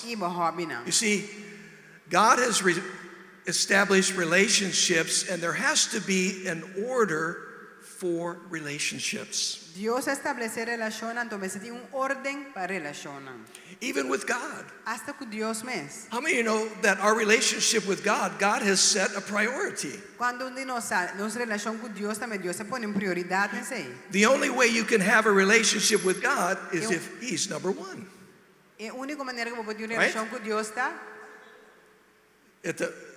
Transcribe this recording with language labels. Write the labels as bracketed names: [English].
[English] You see, God has established relationships, and there has to be an order for relationships. [Spanish] Dios establece relaciones, entonces tiene un orden para relaciones. [English] Even with God. [Spanish] Hasta con Dios mismo. [English] How many of you know that our relationship with God, God has set a priority? [Spanish] Cuando nos relacionamos con Dios, también Dios se pone en prioridad en sí. [English] The only way you can have a relationship with God is if He's number one. [Spanish] La única manera que podemos tener una relación con Dios está.